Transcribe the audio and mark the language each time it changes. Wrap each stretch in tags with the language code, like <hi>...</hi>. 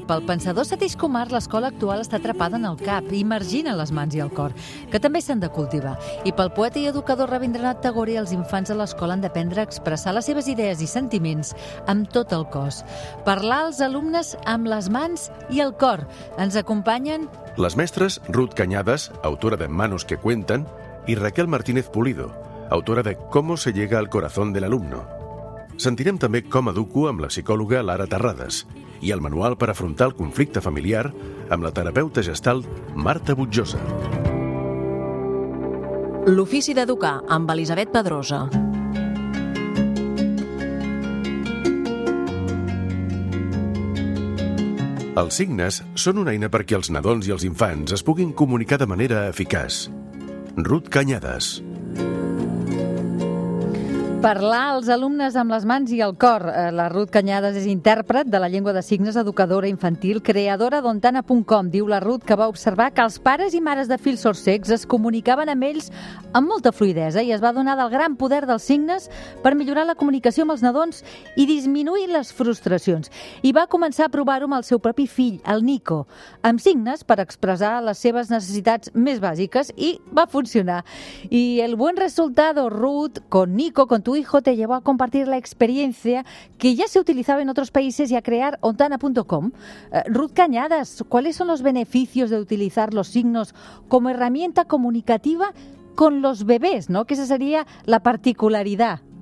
<ca>Pel pensador Satish Kumar, l'escola actual està atrapada en el cap, immergint en les mans i el cor, que també s'han de cultivar. I pel poeta i educador Rabindranath Tagore, els infants a l'escola han d'aprendre a expressar les seves idees i sentiments amb tot el cos. Parlar als alumnes amb les mans i el cor. Ens acompanyen les mestres Ruth Cañadas, autora de Manos que cuentan, i Raquel Martínez Pulido, autora de Cómo se llega al corazón del alumno. Sentirem també com educo amb la psicòloga Lara Terrades i el manual per afrontar el conflicte familiar amb la terapeuta gestal Marta Butjosa. L'ofici d'educar amb Elisabet Pedrosa. Els signes són una eina perquè els nadons i els infants es puguin comunicar de manera eficaç. Ruth Cañadas. Parlar als alumnes amb les mans i el cor. La Ruth Cañadas és intèrpret de la llengua de signes, educadora infantil, creadora d'ontana.com. Diu la Ruth que va observar que els pares i mares de fills sordcecs es comunicaven amb ells amb molta fluïdesa i es va adonar del gran poder dels signes per millorar la comunicació amb els nadons i disminuir les frustracions. I va començar a provar-ho amb el seu propi fill, el Nico, amb signes per expressar les seves necessitats més bàsiques i va funcionar.</ca> <es>I el buen resultado, Ruth, con Nico, con tu hijo, te llevó a compartir la experiencia que ya se utilizaba en otros países y a crear ontana.com. Ruth Cañadas, ¿cuáles son los beneficios de utilizar los signos como herramienta comunicativa con los bebés, ¿no? Que esa sería la particularidad.</es>